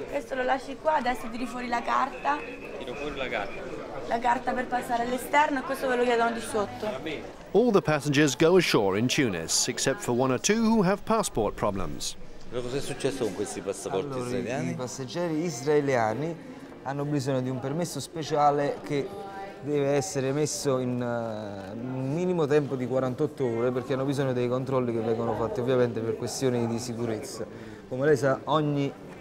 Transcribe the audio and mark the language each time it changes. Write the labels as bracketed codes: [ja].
[it] Questo lo lasci qua, adesso tiri fuori la carta. Tiro fuori la carta. La carta per passare all'esterno e questo ve lo chiedono di sotto. [en] All the passengers go ashore in Tunis, except for one or two who have passport problems. [it] Però cos'è successo con questi passaporti allora, israeliani? I passeggeri israeliani hanno bisogno di un permesso speciale che deve essere messo in un minimo tempo di 48 ore perché hanno bisogno dei controlli che vengono fatti ovviamente per questioni di sicurezza. Come lei sa, ogni